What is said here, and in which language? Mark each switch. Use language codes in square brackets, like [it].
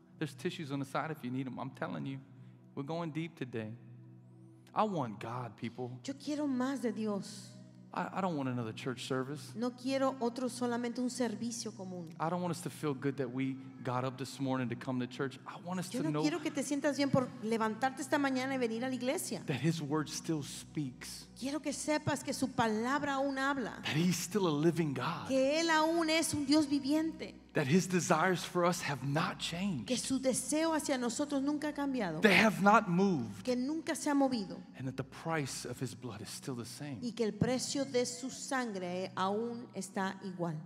[en] There's tissues on the side if you need them. I'm telling you. We're going deep today. I want God, people. [es] Yo quiero más de Dios. [en] I don't want another church service. [es] No quiero otro solamente un servicio común. [en] I don't want us to feel good that we got up this morning to come to church. I want us [es] yo no [en] to know [es] quiero que te sientas bien por levantarte esta mañana y venir a la iglesia. [en] That his word still speaks. [es] Quiero que sepas que su palabra aún habla. [en] That he's still a living God. [es] Que él aún es un Dios viviente. [en] That his desires for us have not changed. [es] Que su deseo hacia nosotros nunca ha cambiado. [en] They have not moved. [es] Que nunca se ha movido. [en] And that the price of his blood is still the same. [es] Y que el precio de su sangre aún está igual.